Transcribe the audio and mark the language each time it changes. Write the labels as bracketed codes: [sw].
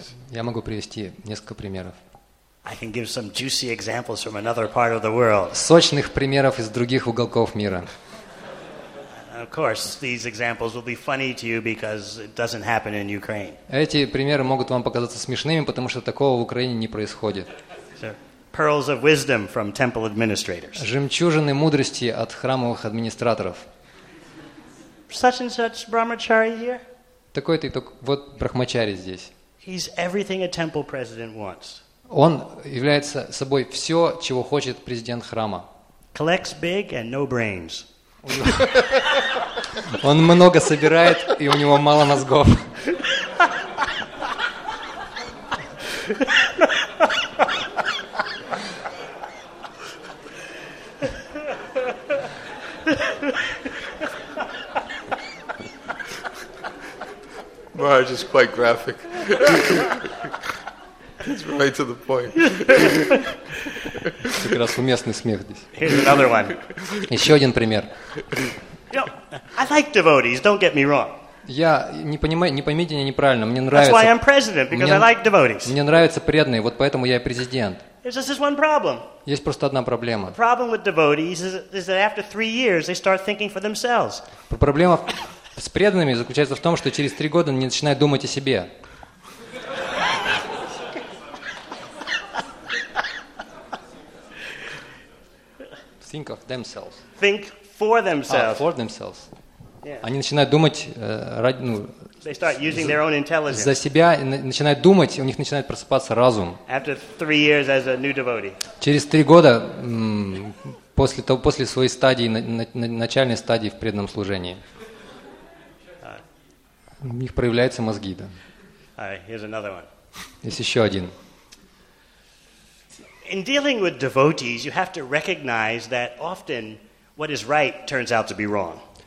[ru] Я могу привести несколько примеров. [en] I can give some juicy examples from another part of the world. [ru] Сочных примеров из других уголков мира. [en] Of course, these examples will be funny to you because it doesn't happen in Ukraine. [ru] Эти примеры могут вам показаться смешными, потому что такого в Украине не происходит. [en] Pearls of wisdom from temple administrators. [ru] Жемчужины мудрости от храмовых администраторов. [en] Such and such brahmachari here. [ru] Такой-то и так вот брахмачари здесь. [en] He's everything a temple president wants. [ru] Он является собой все, чего хочет президент храма. [en] Collects big and no brains. [ru] Он много собирает и у него мало мозгов. [en] Marge is quite graphic. It's right to the point. [ru] Как раз уместный смех здесь. [en] Here's another one. [ru] Еще один пример. [en] You know, I like devotees, don't get me wrong. [ru] Я не понимаю, не поймите меня неправильно, мне нравится. [en] That's why I'm president, because I like devotees. [ru] Мне нравятся преданные, вот поэтому я и президент. [en] There's just this one problem. [ru] Есть просто одна проблема. [en] The problem with devotees is that after 3 years they start thinking for themselves. [ru] Проблема с преданными заключается в том, что через 3 года они начинают думать о себе. [en] Think of themselves. Think for themselves. For themselves. Yeah. [ru] Они начинают думать ради, ну, [en] they start using their own intelligence. [ru] За себя и начинают думать, у них начинает просыпаться разум. [en] After 3 years as a new devotee. [ru] Через 3 года после своей стадии, начальной стадии в преданном служении. У них проявляются мозги, да. Есть еще один. [en] In dealing with devotees, you have to recognize that often what is right turns out to be wrong.